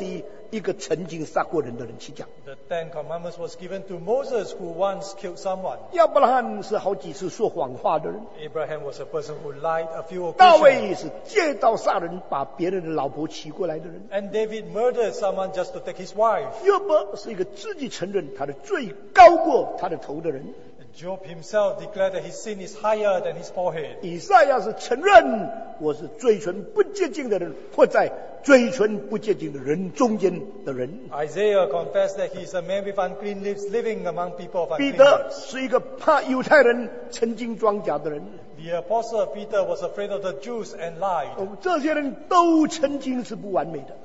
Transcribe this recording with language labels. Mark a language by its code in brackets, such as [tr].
[zh] 就把这十条诫命交给摩西一个曾经杀过人的人去讲。 [en] The Ten Commandments was given to Moses who once killed someone. [zh] 亚伯拉罕是好几次说谎话的人。 [en] Abraham was a person who lied a few occasions. [zh] 大卫是借刀杀人把别人的老婆娶过来的人。 [en] And David murdered someone just to take his wife. [zh] 约伯是一个自己承认他的罪高过他的头的人。 [en] Job himself declared that his sin is higher than his forehead. [zh] 以赛亚是承认我是嘴唇不洁净的人，或在嘴唇不洁净的人中间的人。 [en] Isaiah confessed that he is a man with unclean lips living among people of unclean. [zh] 彼得是一个怕犹太人曾经装假的人。 [en] The apostle Peter was afraid of the Jews and lied. [zh] 这些人都曾经是不完美的。